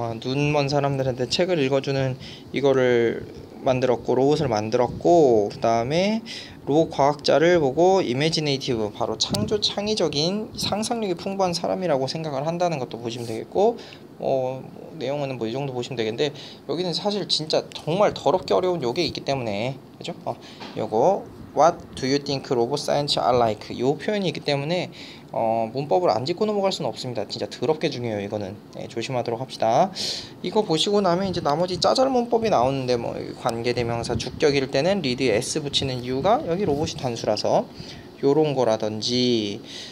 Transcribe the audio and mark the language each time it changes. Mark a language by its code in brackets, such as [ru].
[ko] 눈 먼 사람들한테 책을 읽어주는 이거를 만들었고 로봇을 만들었고 그 다음에 로봇 과학자를 보고 이매지네이티브 바로 창조 창의적인 상상력이 풍부한 사람이라고 생각을 한다는 것도 보시면 되겠고 내용은 뭐 이 정도 보시면 되겠는데 여기는 사실 진짜 정말 더럽게 어려운 요게 있기 때문에 그죠? 요거 [en] What do you think robot science are like? [ko] 요 표현이 있기 때문에 문법을 안 짚고 넘어갈 수는 없습니다. 진짜 더럽게 중요해요 이거는. 네, 조심하도록 합시다. 이거 보시고 나면 이제 나머지 짜잘 문법이 나오는데 뭐 관계대명사 주격일 때는 리드에 S 붙이는 이유가 여기 로봇이 단수라서 요런 거라든지